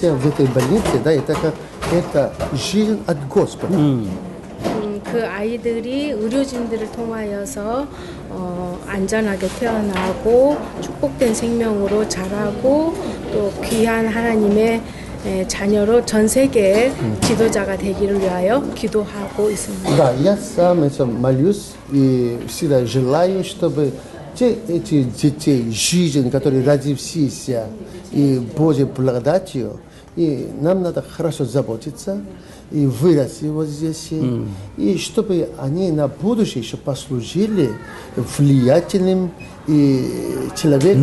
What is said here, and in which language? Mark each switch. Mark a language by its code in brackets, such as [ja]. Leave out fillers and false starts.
[ru] в этой больнице, да, это жизнь от Господа. [ko] 그 아이들이 의료진들을 통하여서 안전하게 태어나고 축복된 생명으로 자라고 또 귀한 하나님의 자녀로 전 세계의 지도자가 되기를 위하여 기도하고 있습니다. [ru] Да, я сам молюсь и всегда желаю, чтобы те эти дети жизнь, которые родившиеся и Божьей благодатью, и нам надо хорошо заботиться. И выросли вот здесь, и чтобы они на будущее еще послужили влиятельным и человеком.